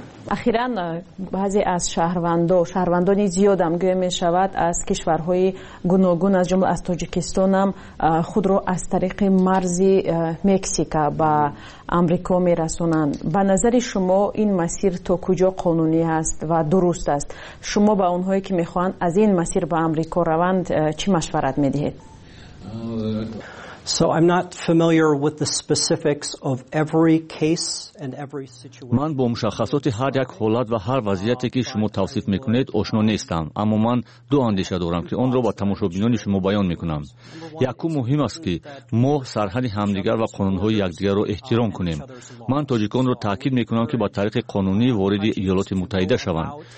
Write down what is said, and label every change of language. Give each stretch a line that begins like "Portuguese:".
Persian: اخیراً بعضی از شهروندان و شهروندانی زیاد هم گویا می شود از کشورهای گوناگون از جمله از تاجیکستان هم خود رو از طریق مرز مکزیکا با آمریکا می رسونند. به نظر شما این مسیر تا کجا قانونی است و درست است؟ شما به اونهایی که می خواهند از این مسیر به آمریکا روند چی مشورت می دهید؟
English: So I'm not familiar with the specifics of every case and every situation.
Persian: من با مشخصات هر یک حالت و هر وضعیتی که شما توصیف میکنید آشنا نیستم، اما من دو اندیشه دارم که اون را با تماشاگران شما بیان میکنم. یکی مهم است که ما سرحد همدیگر و قانونهای یکدیگر را احترام کنیم. من تاجیکان را تاکید میکنم که با طریق قانونی وارد ایالات متحده شوند.